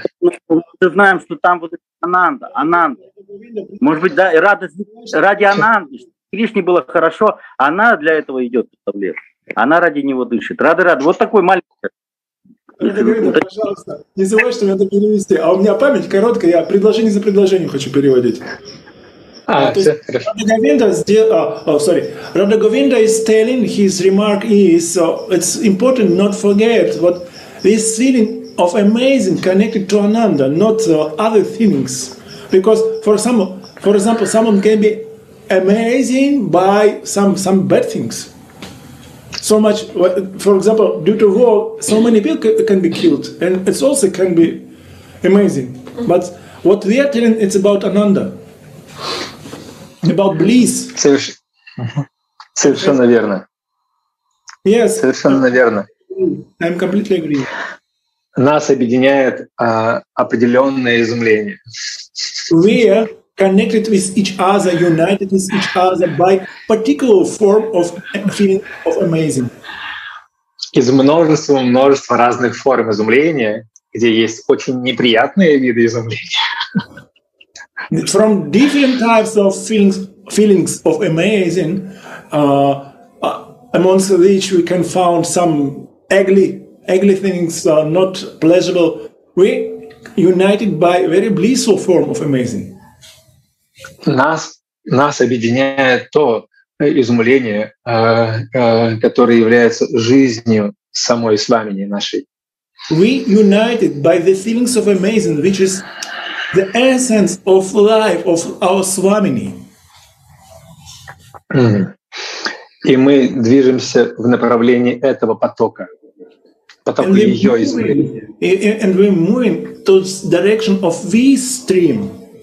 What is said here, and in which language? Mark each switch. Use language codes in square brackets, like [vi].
[ru] Мы знаем, что там вот ананда. Может быть, да, радость ради ананды. Кришне было хорошо, она для этого идет в лес. Она ради него дышит. Рады. Вот такой маленький. Это, пожалуйста, не забывай, что мне надо перевести. А у меня память короткая, я предложение за предложением хочу переводить. [en] Radha Govinda is telling his remark is so it's important not forget what this feeling of amazing connected to Ananda, not other things. Because for example, someone can be amazing by some bad things. So much, for example, due to war, so many people can be killed, and it also can be amazing. But what we are telling it's about Ananda. About bliss. [ru] Совершенно верно. [en] Yes. [ru] Совершенно верно. [en] I'm completely agree. [ru] Нас объединяет определенное изумление. [en] We are connected with each other, united with each other by particular form of feeling of amazing. [ru] Из множества разных форм изумления, где есть очень неприятные виды изумления. [en] From different types of feelings of amazing, amongst which we can find some ugly things, not pleasurable. We united by very blissful form of amazing. [ru] Нас объединяет то изумление, которое является жизнью самой свамини нашей. [en] We united by the feelings of amazing, which is the essence of life of our Swamini. [ru] И мы движемся в направлении этого потока ее изумления. [en] And we're moving towards direction of this stream.